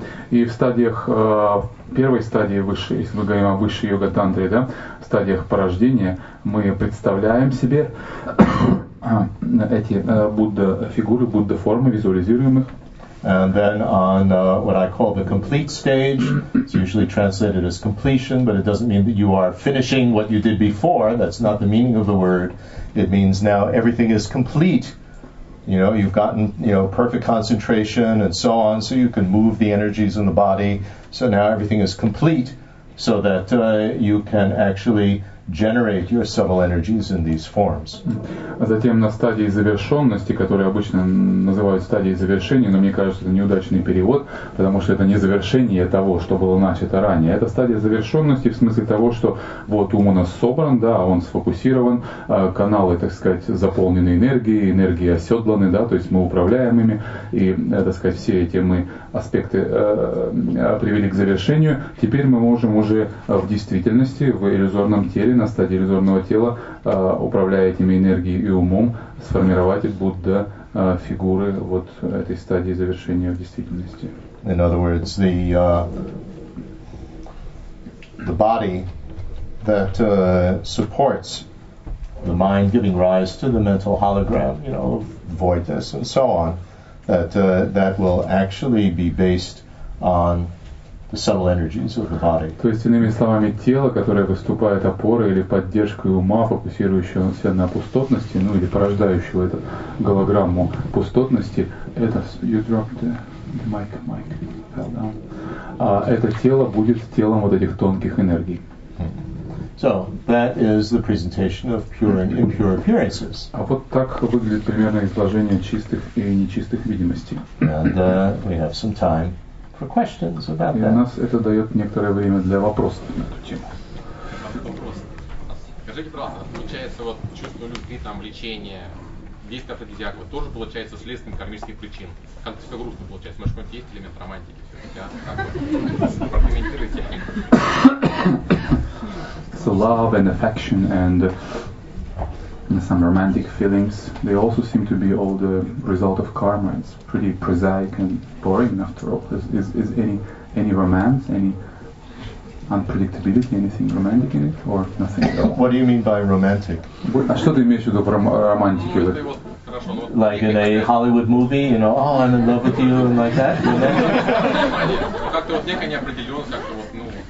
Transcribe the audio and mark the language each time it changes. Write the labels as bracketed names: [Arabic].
[Russian] И в стадиях, первой стадии высшей, если мы говорим о высшей йога-тантре, да, в стадиях порождения, мы представляем себе эти Будда-фигуры, Будда-формы, визуализируем их. [English] And then on what I call the complete stage, it's usually translated as completion, but it doesn't mean that you are finishing what you did before. That's not the meaning of the word. It means now everything is complete. You know, you've gotten, you know, perfect concentration and so on, so you can move the energies in the body. So now everything is complete, so that you can actually generate your subtle energies in these forms. [Russian] А затем на стадии завершенности, которую обычно называют стадией завершения, но мне кажется, это неудачный перевод, потому что это не завершение того, что было начато ранее. Это стадия завершенности в смысле того, что вот ум у нас собран, да, он сфокусирован, каналы, так сказать, заполнены энергией, энергии оседланы, да, то есть мы управляем ими, и, так сказать, все эти мы аспекты привели к завершению. Теперь мы можем уже в действительности, в иллюзорном теле, на стадии иллюзорного тела, управляя этими энергией и умом, сформировать Будда фигуры вот этой стадии завершения в действительности. [English] In other words, the body that supports the mind giving rise to the mental hologram, you know, voidness and so on, that that will actually be based on the subtle energies of the body. [Russian] То есть, иными словами, тело, которое выступает опорой или поддержкой ума, фокусирующегося на пустотности, ну или порождающего эту голограмму пустотности, это you dropped the mic, mic fell down. А это тело будет телом вот этих тонких энергий. [English] So that is the presentation of pure and impure appearances. [Russian] А вот так выглядит примерно изложение чистых и нечистых видимостей. [English] And we have some time for questions about that. [Russian] И у нас это дает некоторое время для вопросов на эту тему. Вопрос. Скажите, пожалуйста, получается вот чувство любви, там, лечение, действие афродизиака, вот тоже получается следствием кармических причин? Как-то все грустно получается. Может, какой-то есть элемент романтики? Прокомментируйте. [English] So love and affection and some romantic feelings, they also seem to be all the result of karma. It's pretty prosaic and boring after all. Is any romance, any unpredictability, anything romantic in it, or nothing at all? What do you mean by romantic? [Russian] А что ты имеешь в виду романтик? [English] Like in a Hollywood movie, you know, oh, I'm in love with you, and like that? [Russian] Как-то вот некая неопределенность, как-то вот, ну...